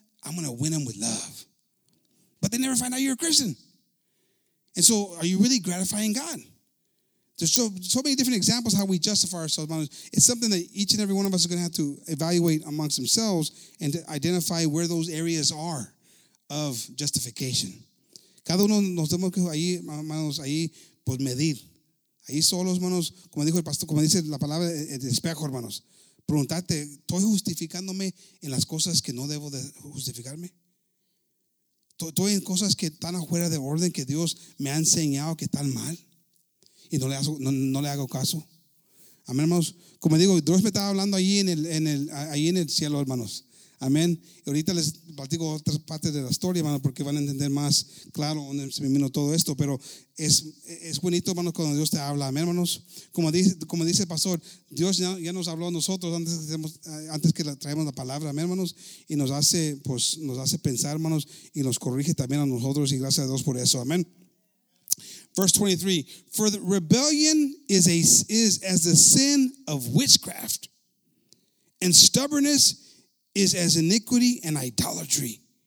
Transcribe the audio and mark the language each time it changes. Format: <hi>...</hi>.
<en>I'm going to win them with love. But they never find out you're a Christian. And so are you really gratifying God? There's so many different examples how we justify ourselves. It's something that each and every one of us is going to have to evaluate amongst themselves and identify where those areas are of justification.</en> <es>Cada uno nos tenemos que ahí, hermanos, ahí por medir. Ahí solos, hermanos, como dijo el pastor, como dice la palabra, el espejo, hermanos. Preguntarte, ¿estoy justificándome en las cosas que no debo de justificarme? ¿Estoy en cosas que están afuera de orden, que Dios me ha enseñado que están mal? Y no le hago caso. Amén, hermanos. Como digo, Dios me estaba hablando ahí en el cielo, hermanos. Amén. Y ahorita les platico otras partes de la historia, hermano, porque van a entender más claro dónde se me vino todo esto. Pero es bonito, hermano, cuando Dios te habla. Amén, hermanos. Como dice el pastor, Dios ya nos habló a nosotros antes que traemos la palabra. Amén, hermanos. Y nos hace pensar, hermanos, y nos corrige también a nosotros. Y gracias a Dios por eso. Amén.</es> <en>Verse 23. For the rebellion is as the sin of witchcraft, and stubbornness is as iniquity and idolatry.</en>